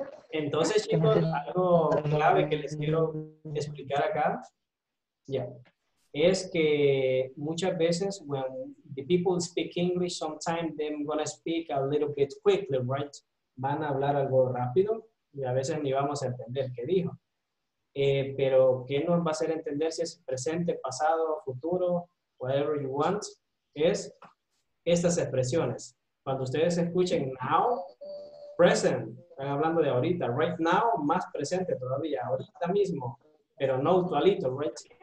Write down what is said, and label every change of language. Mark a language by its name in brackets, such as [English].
[Spanish] Entonces, chicos, algo clave que les quiero explicar acá. Es que muchas veces [English] when the people speak English, sometimes they're gonna speak a little bit quickly, right? [Spanish] Van a hablar algo rápido y a veces ni vamos a entender qué dijo. Pero ¿qué nos va a hacer entender si es presente, pasado, futuro, [English] whatever you want? [Spanish] Es estas expresiones. Cuando ustedes escuchen now, present, están hablando de ahorita, [English] right now, [Spanish] más presente todavía, ahorita mismo, pero no actualito, right?